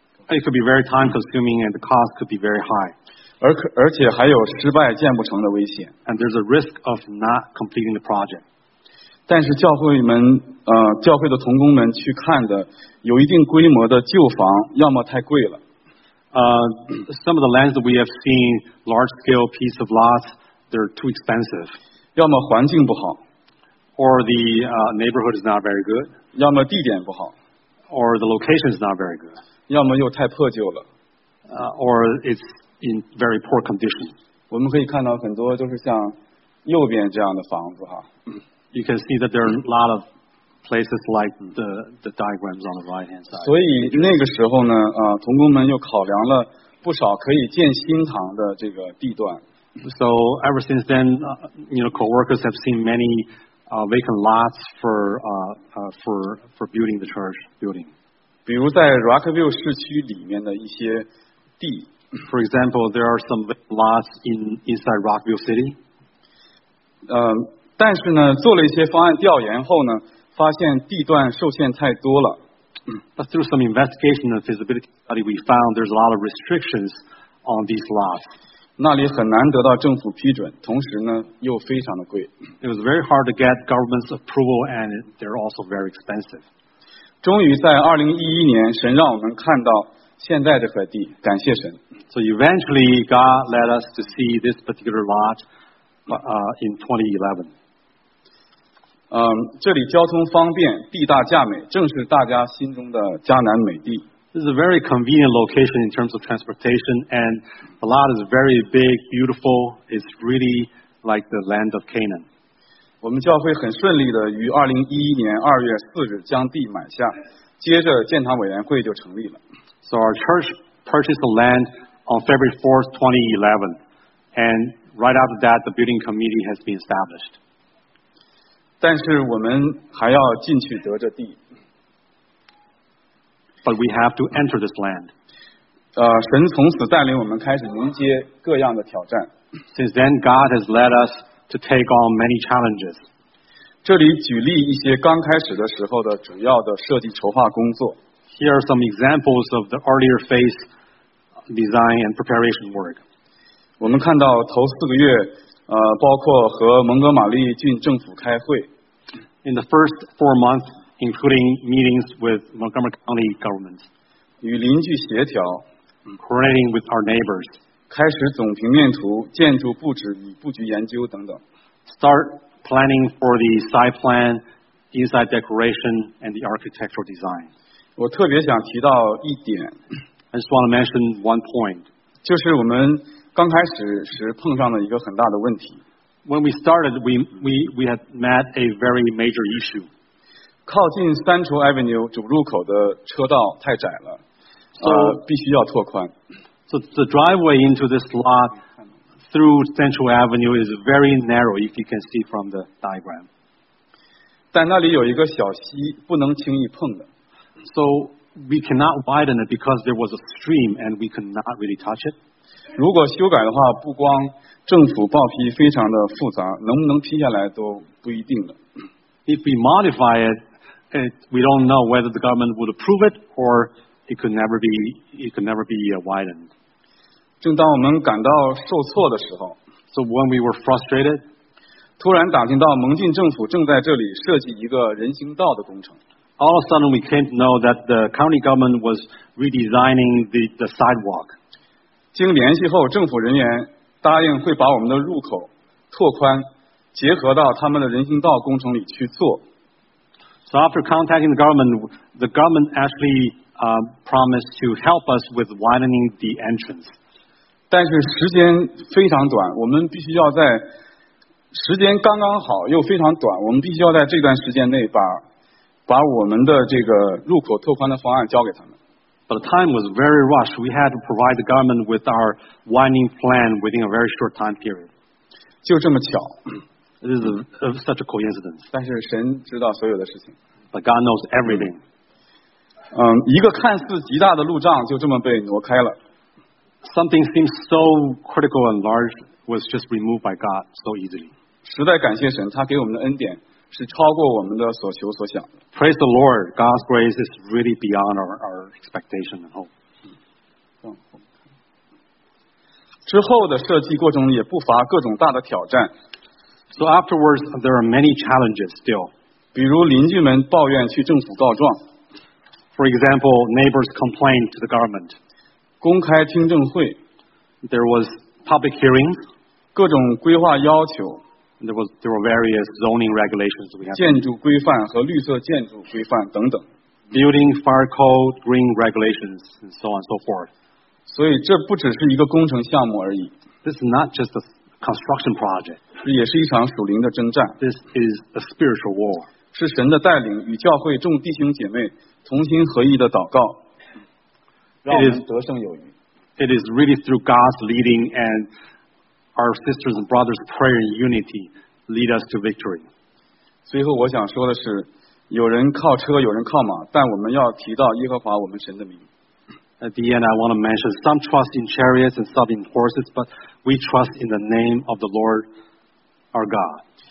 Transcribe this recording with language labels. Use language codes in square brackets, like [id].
[en] It could be very time consuming and the cost could be very high. [zh] 而且还有失败建不成的危险。 [en] And there's a risk of not completing the project. [zh] 但是教会的同工们去看的有一定规模的旧房要么太贵了。 [en] Some of the lands that we have seen, large scale piece of lots, they're too expensive. [zh] 要么环境不好。 [en] or the neighborhood is not very good. [zh] 要么地点不好。 [en] Or the location is not very good. [zh] 要么又太破旧了。 [en] Or it's in very poor condition. [zh] 我们可以看到很多就是像右边这样的房子哈。 [en] You can see that there are a lot of places like the diagrams on the right hand side. [zh] 所以那个时候呢，同工们又考量了不少可以建新堂的这个地段。 [en] So ever since then, you know, co-workers have seen many vacant lots for building the church building. [zh] 比如在 Rockview 市区里面的一些地。 [en] For example, there are some lots inside Rockview City. [zh] 但是呢，做了一些方案调研后呢，发现地段受限太多了。 [en] But through some investigation and feasibility study, we found there's a lot of restrictions on these lots. [zh] 那里很难得到政府批准，同时呢又非常的贵。 [en] It was very hard to get government's approval, and they're also very expensive. [zh] 终于在2011年，神让我们看到现在这块地，感谢神。 [en] So eventually, God led us to see this particular lot. In 2011. [zh] 这里交通方便，地大价美，正是大家心中的迦南美地。 [en] This is a very convenient location in terms of transportation, and the lot is very big, beautiful. It's really like the land of Canaan. [zh] 我们教会很顺利的于2011年2月4日将地买下，接着建堂委员会就成立了。 [en] So our church purchased the land on February 4th, 2011, and right after that, the building committee has been established. [zh] 但是我们还要进去得这地。 [en] But we have to enter this land. [zh] 神从此带领我们开始迎接各样的挑战。 [en] Since then, God has led us to take on many challenges. [zh] 这里举例一些刚开始的时候的主要的设计筹划工作。 [en] Here are some examples of the earlier phase design and preparation work. [zh] 我们看到头四个月，包括和蒙哥马利郡政府开会。 [en] In the first four months, including meetings with Montgomery County government. [zh] 与邻居协调。 [en] Coordinating with our neighbors. [zh] 开始总平面图、建筑布置与布局研究等等。 [en] Start planning for the site plan, inside decoration, and the architectural design. [zh] 我特别想提到一点。 [en] I just want to mention one point. [zh] 就是我们刚开始是碰上了一个很大的问题。 [en] When we started, we had met a very major issue. [zh] 靠近 Central Avenue 主入口的车道太窄了，必须要拓宽。 [en] So the driveway into this lot through Central Avenue is very narrow, if you can see from the diagram. [zh] 但那里有一个小溪，不能轻易碰的。 [en] So we cannot widen it because there was a stream and we could not really touch it. [zh] 如果修改的话，不光政府报批非常的复杂，能不能批下来都不一定了。 [en] If we modify it, we don't know whether the government would approve it or it could never be widened. [zh] 正当我们感到受挫的时候 [en] ，So when we were frustrated, [zh] 突然打听到蒙郡政府正在这里设计一个人行道的工程。 [en] All of a sudden, we came to know that the county government was redesigning the sidewalk. [zh] 经联系后，政府人员答应会把我们的入口拓宽，结合到他们的人行道工程里去做。 [en] So after contacting the government actually promised to help us with widening the entrance. [zh] 但是时间非常短，我们必须要在时间刚刚好又非常短，我们必须要在这段时间内把我们的这个入口拓宽的方案交给他们。 [en] But the time was very rushed. We had to provide the government with our winding plan within a very short time period. [zh] 就这么巧。 [en] It is such a coincidence. [zh] 但是神知道所有的事情。 [en] But God knows everything. [zh] 一个看似极大的路障就这么被挪开了。 [en] Something seems so critical and large was just removed by God so easily. [zh] 实在感谢神，他给我们的恩典是超过我们的所求所想。 [en] Praise the Lord, God's grace is really beyond our expectation and hope. [zh] 之后的设计过程也不乏各种大的挑战。 [en] So afterwards, there are many challenges still. [zh] 比如邻居们抱怨去政府告状。 [en] For example, neighbors complained to the government. [zh] 公开听证会。 [en] There was public hearings. [zh] 各种规划要求。 [en] there were various zoning regulations we have. [zh] 建筑规范和绿色建筑规范等等。 [en] Building fire code, green regulations, and so on and so forth. [zh] 所以这不只是一个工程项目而已。 [en] This is not just a construction project. [zh] 也是一场属灵的征战。 [en] This is a spiritual war. [zh] 是神的带领与教会众弟兄姐妹同心合意的祷告。让我们得胜有余。 [en] It is really through God's leading and our sisters and brothers' prayer and unity lead us to victory. [zh] 最后我想说的是，有人靠车，有人靠马，但我们要提到耶和华我们神的名。 [en] At the end, I want to mention some trust in chariots and some in horses, but we trust in the name of the Lord our God.